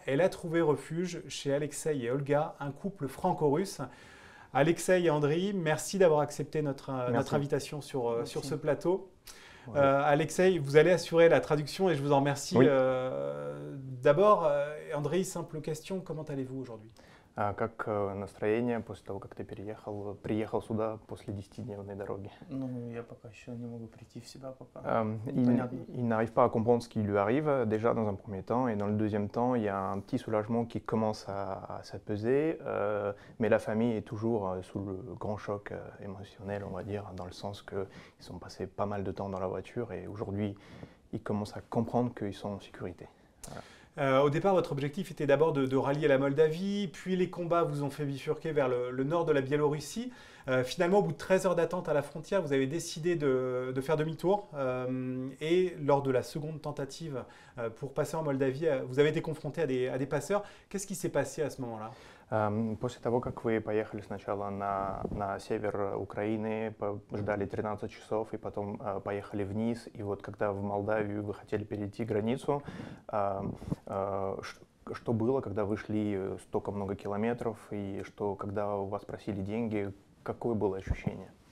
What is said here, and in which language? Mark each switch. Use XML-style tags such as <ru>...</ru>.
<fr>Elle a trouvé refuge chez Alexei et Olga, un couple franco-russe. Alexei et Andrei, merci d'avoir accepté notre invitation sur ce plateau. Alexei, vous allez assurer la traduction et je vous en remercie. Oui. D'abord, Andrei, simple question, comment allez-vous aujourd'hui ?</fr> <ru>Как настроение после того, как ты приехал сюда после 10-дневной дороги? Ну, я пока еще не могу прийти в себя, пока.</ru> <fr>Il n'arrive pas à comprendre ce qui lui arrive, déjà dans un premier temps. Et dans le deuxième temps, il y a un petit soulagement qui commence à s'apaiser. Mais la famille est toujours sous le grand choc émotionnel, on va dire, dans le sens qu'ils ont passé pas mal de temps dans la voiture. Et aujourd'hui, ils commencent à comprendre qu'ils sont en sécurité. Voilà. Au départ, votre objectif était d'abord de rallier la Moldavie, puis les combats vous ont fait bifurquer vers le nord de la Biélorussie. Finalement, au bout de 13 heures d'attente à la frontière, vous avez décidé de faire demi-tour. Et lors de la seconde tentative pour passer en Moldavie, vous avez été confronté à des passeurs. Qu'est-ce qui s'est passé à ce moment-là ?</fr> <ru>После того, как вы поехали сначала на север Украины, ждали 13 часов и потом поехали вниз, и вот когда в Молдавию вы хотели перейти границу, что было, когда вы шли столько много километров, и что, когда у вас просили деньги, какое было ощущение?</ru>